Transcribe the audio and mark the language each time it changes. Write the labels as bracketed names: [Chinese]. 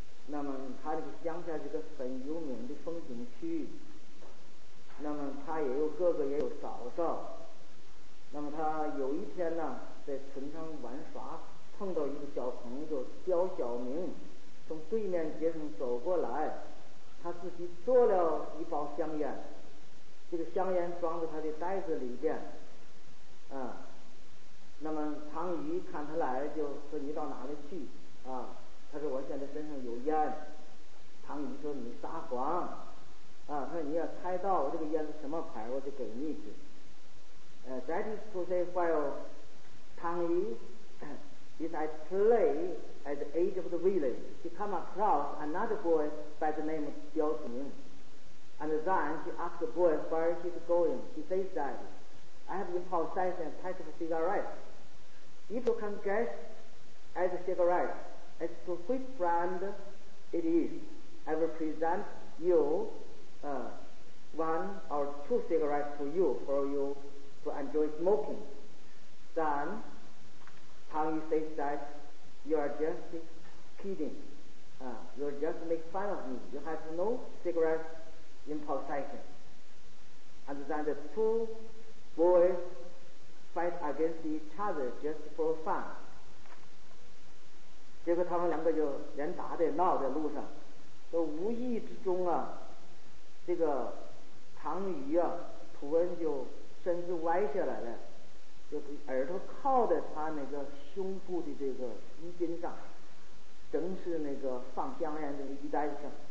[Chinese] 那么他这个乡下是个很有名的风景区，那么他也有哥哥也有嫂嫂，那么他有一天呢在村上玩耍，碰到一个小朋友刁小明从对面街上走过来，他自己做了一包香烟，这个香烟装在他的袋子里边，啊，那么唐鱼看他来就说你到哪里去啊？他说我现在身上有烟，唐鱼说你撒谎，啊，他说你要猜到我这个烟是什么牌，我就给你去。 [English] That is to say, while Tang Yu is at play at the edge of the village, he come across another boy by the name of Diao Ming, and then he asked the boy where he's going. He says that I have in possession a pack of cigarettes. If you can guess at the cigarette as to which brand it is, I will present you one or two cigarettes to you for you to enjoy smoking. Then Tang Yu says that you are just kidding. You just make fun of me. You have no cigarettes in possession. And then the two boys fight against each other just for fun. [Chinese] 结果他们两个就连打带闹在路上，都无意之中啊，这个唐鱼啊，图恩就身子歪下来了，就耳朵靠在他那个胸部的这个衣襟上，正是那个放香烟的衣袋上。